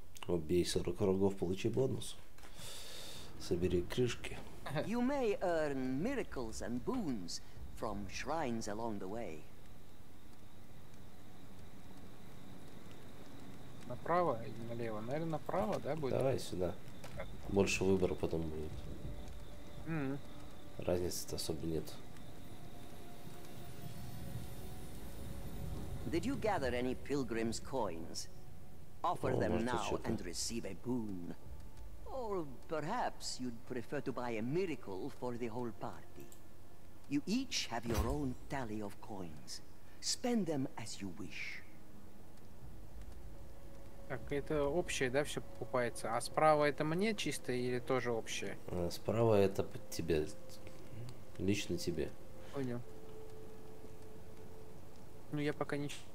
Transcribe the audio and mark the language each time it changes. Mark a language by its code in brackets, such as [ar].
[ru] Убей 40 врагов, получи бонус. Собери крышки. [en] You may earn miracles and boons from shrines along the way. [ru] Направо или налево? Наверное, направо, да, будет? Давай сюда. Больше выбора потом будет. Разницы-то особо нет. [en] Did you gather any pilgrim's coins? Offer them now and receive a boon. Or perhaps you'd prefer to buy a miracle for the whole party. You each have your own tally of coins. Spend them as you wish. [ru] Так, это общее, да, все покупается? А справа это мне чисто или тоже общее? Справа это под тебе. Лично тебе. Понял. Ну, я пока не...